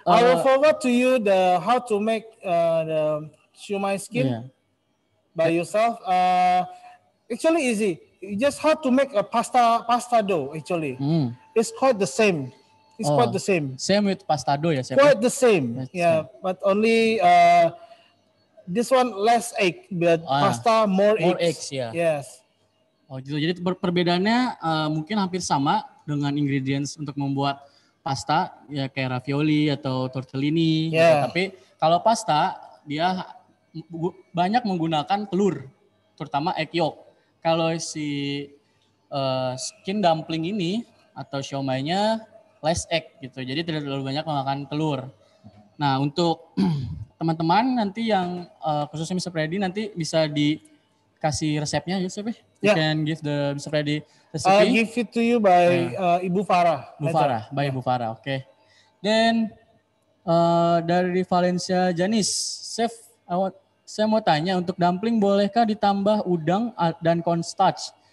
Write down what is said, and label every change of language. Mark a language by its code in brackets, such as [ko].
[en] I will forward to you the how to make the shumai skin by yourself. Actually easy. You just how to make a pasta dough actually. Mm. It's quite the same. Same with pasta dough ya? Quite the same. But only... this one less egg, but pasta more eggs. Yeah. Yes. [id] Oh, jadi perbedaannya mungkin hampir sama dengan ingredients untuk membuat pasta, ya kayak ravioli atau tortellini. [en] Yeah. [id] Gitu. Tapi kalau pasta, dia banyak menggunakan telur, terutama egg yolk. Kalau si skin dumpling ini atau siomaynya less egg gitu, jadi tidak terlalu banyak memakan telur. Nah, untuk teman-teman nanti yang khususnya Mr. Freddy nanti bisa dikasih resepnya ya, Chef. [en] You can give the Mr. Freddy recipe. I'll give it to you by Ibu Farah. Ibu Farah, by Ibu Farah, oke. [id] Then dari Valencia Janis, Chef, saya mau tanya untuk dumpling bolehkah ditambah udang dan cornstarch?